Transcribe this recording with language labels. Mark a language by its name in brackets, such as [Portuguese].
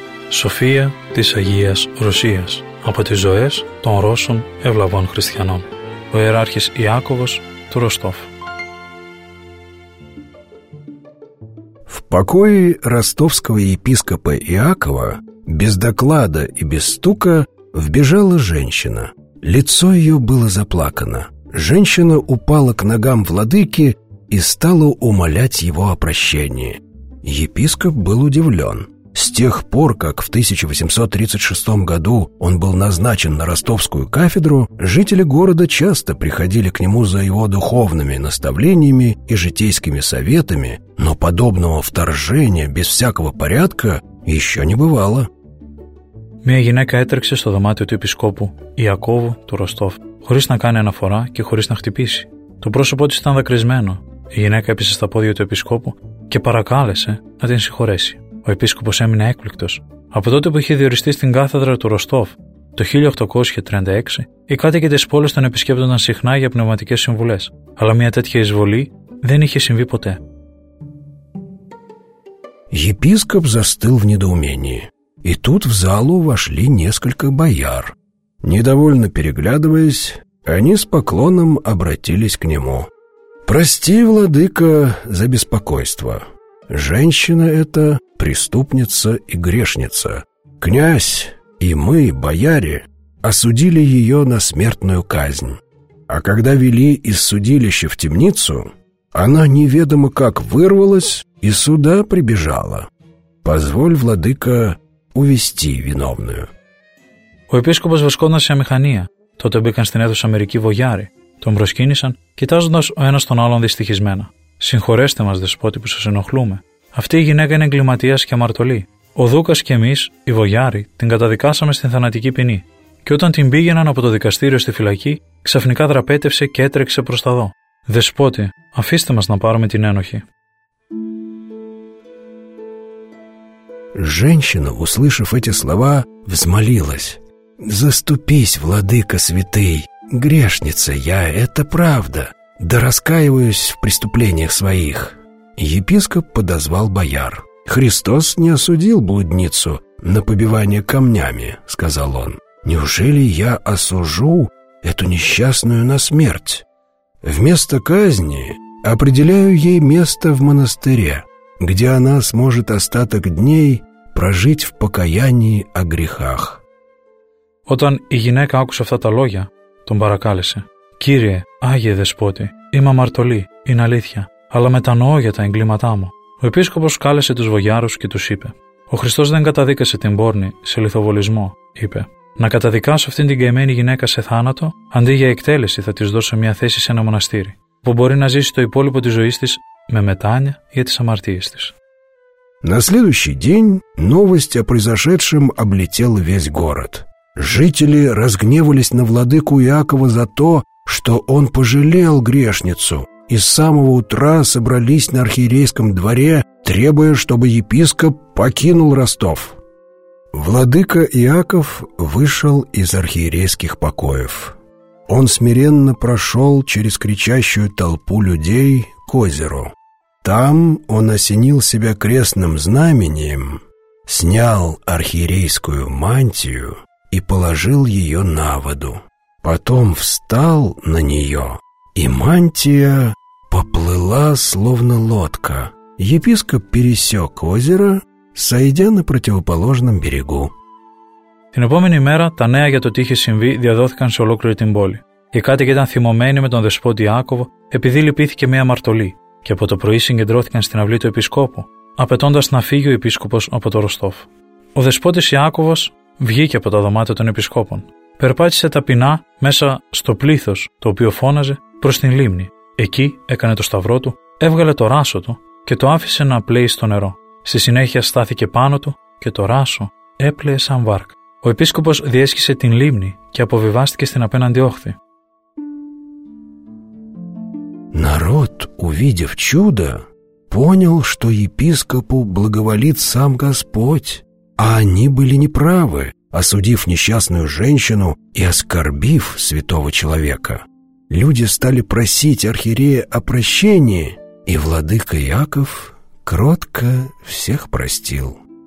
[Greek] София της Αγίας Ρωσίας από τις ζωές των Ρώσων ευλαβών χριστιανών. Ο Ιεράρχης Ιάκωβος του Ροστόφ. [Russian] В покое ростовского епископа Иакова без доклада и без стука вбежала женщина. Лицо ее было заплакано. Женщина упала к ногам владыки и стала умолять его о прощении. Епископ был удивлен. С тех пор, как в 1836 году он был назначен на ростовскую кафедру, жители города часто приходили к нему за его духовными наставлениями и житейскими советами, но подобного вторжения без всякого порядка еще не бывало. [Greek] Мия гинека έτρεξε στο δωμάτιο του [Russian] епископу Иакову [Greek] του Ростов, χωρίς να κάνει αναφορά και χωρίς να χτυπήσει. Το πρόσωπό της ήταν δακρυσμένο. Η γυναίκα έπεσε στα πόδια του επισκόπου και παρακάλεσε να την συγχωρέσει. Ο επίσκοπος έμεινε έκπληκτος. Από τότε που είχε διοριστεί στην κάθεδρα του Ροστόφ το 1836, οι κάτοικοι της πόλης τον επισκέπτονταν συχνά για πνευματικές συμβουλές. Αλλά μια τέτοια εισβολή δεν είχε συμβεί ποτέ. [Russian] Епископ застыл в недоумении. И тут в залу вошли несколько бояр. Недовольно переглядываясь, они с поклоном обратились к нему. «Прости, владыка, за беспокойство. Женщина эта — преступница и грешница. Князь и мы, бояре, осудили ее на смертную казнь. А когда вели из судилища в темницу, она неведомо как вырвалась и сюда прибежала. Позволь, владыка, увести виновную. [Greek] Ο επίσκοπος βρισκόταν σε αμηχανία. Τότε μπήκαν στην αίθουσα μερικοί βογιάροι. Τον προσκύνησαν, κοιτάζοντας ο ένας τον άλλον δυστυχισμένα. Συγχωρέστε μας, δεσπότη, που σας ενοχλούμε. Αυτή η γυναίκα είναι εγκληματίας και αμαρτωλή. Ο Δούκας και εμείς, οι βογιάροι, την καταδικάσαμε στην θανατική ποινή. Και όταν την πήγαιναν από το δικαστήριο στη φυλακή, ξαφνικά δραπέτευσε και έτρεξε προς τα δω. Δεσπότη, αφήστε μας να πάρουμε την ένοχη. [Russian] Женщина, услышав эти слова, взмолилась. «Заступись, владыка святый, грешница я, это правда, да раскаиваюсь в преступлениях своих». Епископ подозвал бояр. «Христос не осудил блудницу на побивание камнями», — сказал он. «Неужели я осужу эту несчастную на смерть? Вместо казни определяю ей место в монастыре, где она сможет остаток дней прожить в покаянии о грехах». [Greek] Όταν η γυναίκα άκουσε αυτά τα λόγια, τον παρακάλεσε. «Κύριε, Άγιε Δεσπότη, είμαι αμαρτωλή, είναι αλήθεια, αλλά μετανοώ για τα εγκλήματά μου». Ο επίσκοπος κάλεσε τους βογιάρους και τους είπε. «Ο Χριστός δεν καταδίκασε την πόρνη σε λιθοβολισμό», είπε. «Να καταδικάσω αυτήν την καημένη γυναίκα σε θάνατο, αντί για εκτέλεση θα της δώσω μια θέση σε ένα μοναστήρι, που μπορεί να ζήσει το υπόλοιπο της ζωής της με μετάνοια για τις αμαρτίες της». [Russian] На следующий день новость о произошедшем облетела весь город. Жители разгневались на владыку Иакова за то, что он пожалел грешницу, и с самого утра собрались на архиерейском дворе, требуя, чтобы епископ покинул Ростов. Владыка Иаков вышел из архиерейских покоев. Он смиренно прошел через кричащую толпу людей к озеру. Там он осенил себя крестным знамением, снял архиерейскую мантию и положил ее на воду. Потом встал на нее, и мантия поплыла, словно лодка. Епископ пересек озеро, сойдя на противоположном берегу. [Greek] Την επόμενη μέρα τα νέα για το τι είχε συμβεί διαδόθηκαν σε ολόκληρη την πόλη. Οι κάτοικοι ήταν θυμωμένοι με τον δεσπότη Ιάκωβο, επειδή λυπήθηκε μια αμαρτωλή, και από το πρωί συγκεντρώθηκαν στην αυλή του επισκόπου, απαιτώντας να φύγει ο επίσκοπος από το Ροστόφ. Ο δεσπότης Ιάκωβος βγήκε από τα δωμάτια των επισκόπων. Περπάτησε ταπεινά μέσα στο πλήθος, το οποίο φώναζε, προς την λίμνη. Εκεί έκανε το σταυρό του, έβγαλε το ράσο του και το άφησε να πλέει στο νερό. Στη συνέχεια στάθηκε πάνω του και το ράσο έπλεε σαν βάρκ. Ο επίσκοπος διέσχισε την λίμνη και αποβιβάστηκε στην απέναντι όχθη. [Russian] Народ, увидев чудо, понял, что епископу благоволит сам Господь, а они были неправы, осудив несчастную женщину и оскорбив святого человека. Люди стали просить архиерея о прощении, и владыка Иаков кротко всех простил.